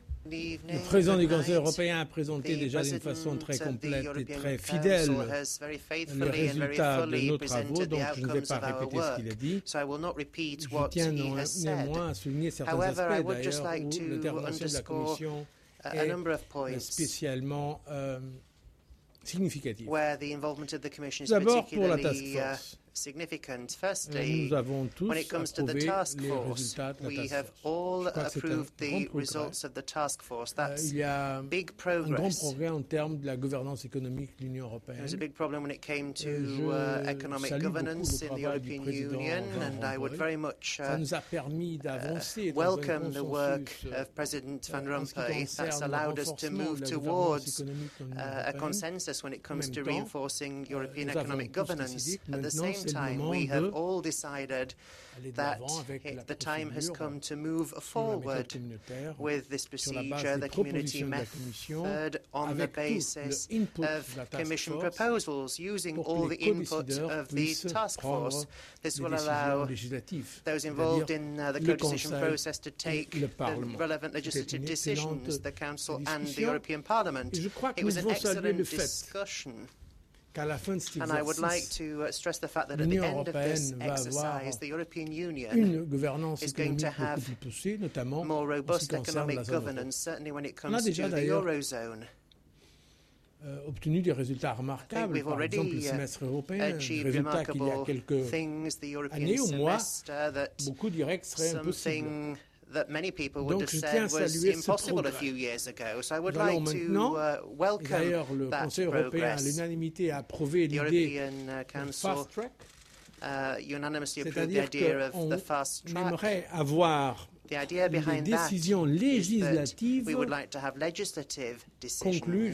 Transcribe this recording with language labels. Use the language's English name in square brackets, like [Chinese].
[French] Le président du Conseil européen a présenté déjà d'une façon très complète et très fidèle les résultats de nos travaux, donc je ne vais pas répéter ce qu'il a dit. Je tiens néanmoins à souligner certains aspects, d'ailleurs, où l'intervention de la Commission [English] a number of points [French] spécialement significatifs. [English] Where the involvement of the Commission is particularly significant. Firstly, [French] nous avons tous [English] when it comes to the task force, we have all approved the results of the task force. That's big progress. [French] Un grand progrès en termes de la gouvernance économique de l'Union européenne. [English] There's a big problem when it came to economic governance in the European Union, and I would very much welcome the work of President Van Rompuy. That's allowed us to move towards a consensus when it comes to reinforcing European economic governance. At the same time, we have all decided that the time has come to move forward with this procedure, the community method, on the basis of Commission proposals, using all the input of the task force. This will allow those involved in the co-decision process to take the relevant legislative decisions, the Council and the European Parliament. It was an excellent discussion. And I would like to stress the fact that at the end of this exercise, the European Union is going to have more robust economic governance, certainly when it comes to the Eurozone. [French] Obtenu des résultats remarquables, par exemple le semestre européen, résultat qu'il y a quelques années ou mois, beaucoup diraient que ce serait impossible. [English] That many people would have said was impossible a few years ago. So I would like to welcome that progress. The European Council unanimously approved the idea of the fast track. The idea behind that is that we would like to have legislative decisions concluded